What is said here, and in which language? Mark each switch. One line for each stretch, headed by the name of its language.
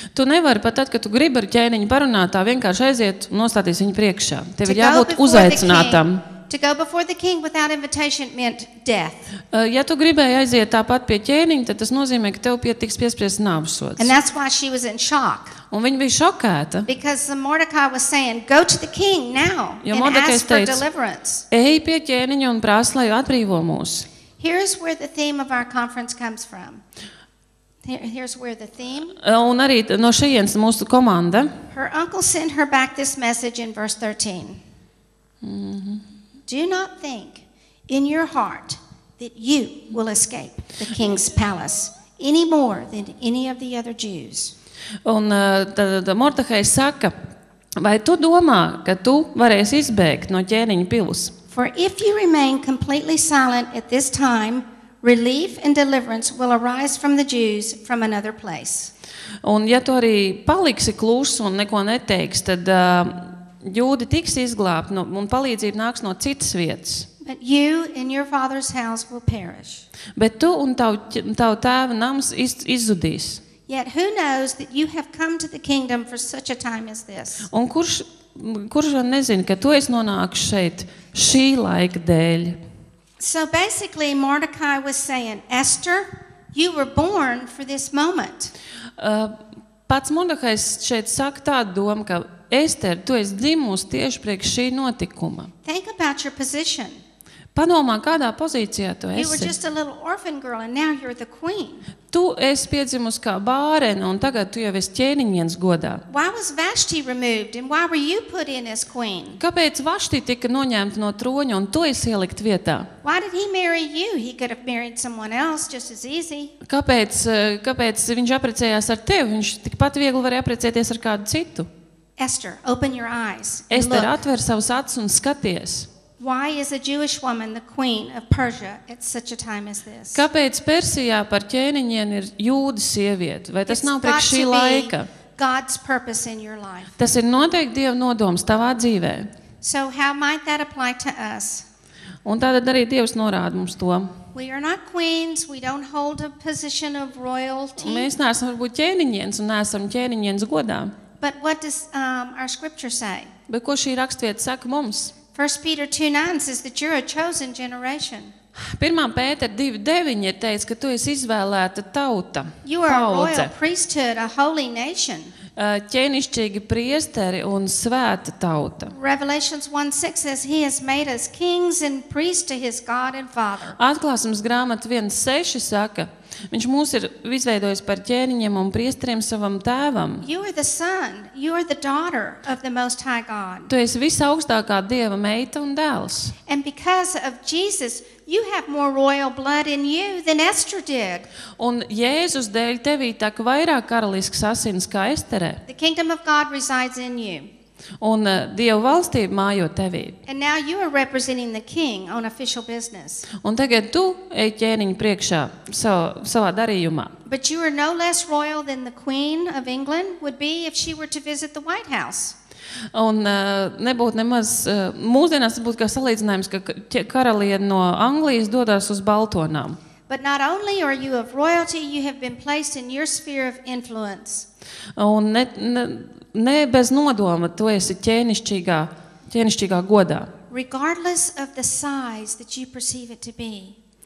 Latvian: Tu nevari pat tad, kad tu gribi ar ķēniņu parunāt, tā vienkārši aiziet un nostāties viņa priekšā. Tev ir jābūt uzaicinātam.
English: To go before the king without invitation meant death.
Latvian: Ja tu gribēji aiziet tāpat pie ķēniņa, tad tas nozīmē, ka tev pietiks piespriest nāvsots.
English: And that's why she was in shock.
Latvian: Un viņa bija šokēta.
English: Because Mordecai was saying, go to the king now and ask for deliverance.
Latvian: Ej pie ķēniņa un prasi, lai atbrīvo mūs.
English: Here is where the theme of our conference comes from. Here's where the theme.
Latvian: Un arī no šejienes mūsu komanda.
English: Her uncle sent her back this message in verse 13. Do not think in your heart that you will escape the king's palace any more than any of the other Jews.
Latvian: Un tad Mordehajs saka, vai tu domā, ka tu varēsi izbēgt no ķēniņa pils?
English: For if you remain completely silent at this time, relief and deliverance will arise from the Jews from another place.
Latvian: Un ja tu arī paliksi klus un neko neteiks, tad jūdi tiks izglābti no, un palīdzība nāks no citas vietas.
English: But you and your father's house will perish.
Latvian: Bet tu un tavu tēva nams izzudīs.
English: Yet who knows that you have come to the kingdom for such a time as this?
Latvian: Un kurš vien nezin, ka tu esi nonākis šeit šī laika dēļ.
English: So basically Mordecai was saying, Esther, you were born for this moment.
Latvian: Pats Mordehajs šeit saka tādu domu, ka Ester, tu esi dzimusi tieši priekš šī notikuma.
English: Think about your position.
Latvian: Padomā, kādā pozīcijā tu esi.
English: You were just a little orphan girl and now you're the queen.
Latvian: Tu esi piedzimusi kā bārene un tagad tu jau esi ķēniņienes godā.
English: Why was Vashti removed and why were you put in as queen?
Latvian: Kāpēc Vashti tika noņemta no troņa un tu esi ielikt vietā?
English: Why did he marry you? He could have married someone else just as easy.
Latvian: Kāpēc viņš apprecējās ar tevi? Viņš tikpat viegli varēja apprecēties ar kādu citu.
English: Esther, open your eyes.
Latvian: Ester, atver savus acis un skaties.
English: Why is a Jewish woman the queen of Persia at such a time as this?
Latvian: Kāpēc Persijā par ķēniņienu ir jūdu sieviete? Vai tas nav priekš šī laika?
English: God's purpose in your life.
Latvian: Tas ir noteikti Dieva nodoms tavā dzīvē.
English: So how might that apply to us?
Latvian: Un tātad arī Dievs norāda mums to.
English: We are not queens, we don't hold a position of royalty.
Latvian: Mēs neesam varbūt ķēniņienes un neesam ķēniņienes godā.
English: But what does our scripture say?
Latvian: Bet ko šī rakstvieta saka mums?
English: 1 Peter 2:9 says that you're a chosen generation.
Latvian: 1. Pēter 2:9 ir teicis, ka tu esi izvēlēta tauta.
English: You are a royal priesthood, a holy nation.
Latvian: Ķēnišķīgi priesteri un svēta tauta.
English: Revelations 1:6 says he has made us kings and priests to his God and Father.
Latvian: Atklāsmes grāmata 1:6 saka, viņš mūs ir izveidojis par ķēniņiem un priesteriem savam tēvam.
English: You are the son, you are the daughter of the Most High God.
Latvian: Tu esi visaugstākā Dieva meita un dēls.
English: And because of Jesus, you have more royal blood in you than Esther did.
Latvian: Un Jēzus dēļ tevī tak vairāk karalisks asins kā Esterē.
English: The kingdom of God resides in you.
Latvian: Un Dieva valstība mājo tevī.
English: And now you are representing the king on official business.
Latvian: Un tagad tu eji ķēniņu priekšā savā darījumā.
English: But you are no less royal than the queen of England would be if she were to visit the White House.
Latvian: Un nebūtu nemaz, mūsdienās būtu kā salīdzinājums, ka karaliene no Anglijas dodas uz Baltonām.
English: But not only are you of royalty, you have been placed in your sphere of influence.
Latvian: Un ne bez nodoma, tu esi ķēnišķīgā godā.
English: Regardless of the size that you perceive it to be.